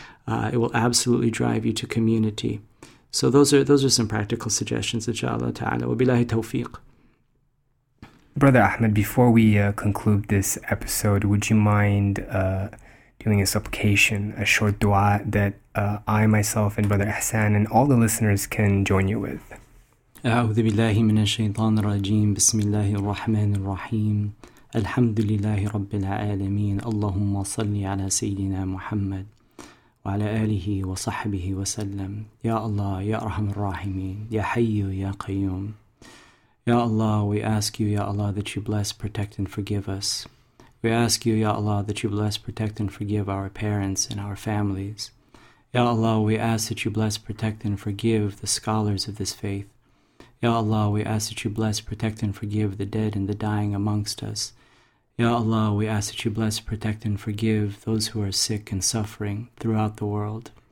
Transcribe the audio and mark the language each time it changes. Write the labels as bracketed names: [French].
[English] It will absolutely drive you to community. So those are some practical suggestions, inshallah ta'ala. [Arabic] Wa billahi tawfiq. [English] Brother Ahmed, before we conclude this episode, would you mind doing a supplication, a short dua that I myself and Brother Ahsan and all the listeners can join you with? [Arabic] أعوذ بالله من الشيطان الرجيم بسم الله الرحمن الرحيم الحمد لله رب العالمين اللهم صل على سيدنا محمد وعلى آله وصحبه وسلم يا الله يا أرحم الراحمين يا حي يا قيوم يا الله [English] we ask you [Arabic] يا الله [English] that you bless, protect and forgive us. We ask you [Arabic] يا الله [English] that you bless, protect and forgive our parents and our families. [Arabic] يا الله [English] we ask that you bless, protect and forgive the scholars of this faith. Ya Allah, we ask that you bless, protect, and forgive the dead and the dying amongst us. Ya Allah, we ask that you bless, protect, and forgive those who are sick and suffering throughout the world.